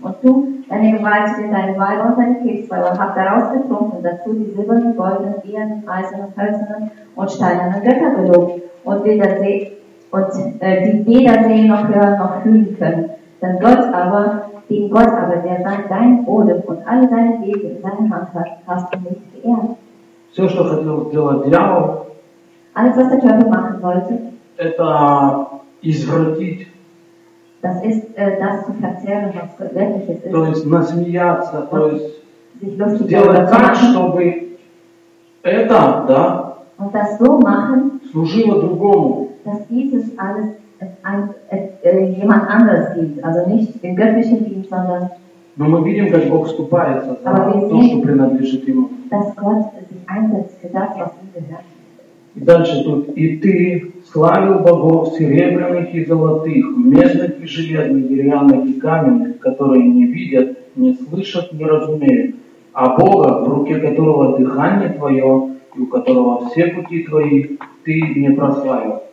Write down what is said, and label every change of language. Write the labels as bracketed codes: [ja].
[de] Und du, deine Gewaltigen, deine Weiber und deine Kriegsweiber, habt daraus getrunken, dazu die silbernen, goldenen, ehernen, eisernen, hölzernen und steinernen Götter gelobt. Und weder sehen, die weder sehen noch hören noch fühlen können. Denn Gott aber, den Gott aber, der sein dein Odem und alle deine Wege in deiner Hand hat, hast du nicht geehrt. [ru] So, что хотел сделать дьявол, [de] alles, was der Teufel machen wollte, [ru] это извратить. [de] Das ist das zu verzehren, was wirkliches ist. [ru] То есть насмеяться, то есть сделать так, [de] machen, [ru] чтобы это, да, [de] und das so machen, [ru] служило другому. [de] Dass dieses alles jemand anders gibt, also nicht dem göttlichen Dienst, sondern. [ru] Но мы видим, как Бог вступается за то, что принадлежит ему. [de] Dass Gott sich einsetzt für das, was ihm gehört. [ru] И дальше тут: «И ты славил богов серебряных и золотых, медных и железных, деревянных и каменных, которые не видят, не слышат, не разумеют, а Бога, в руке которого дыхание твое, и у которого все пути твои, ты не прославил».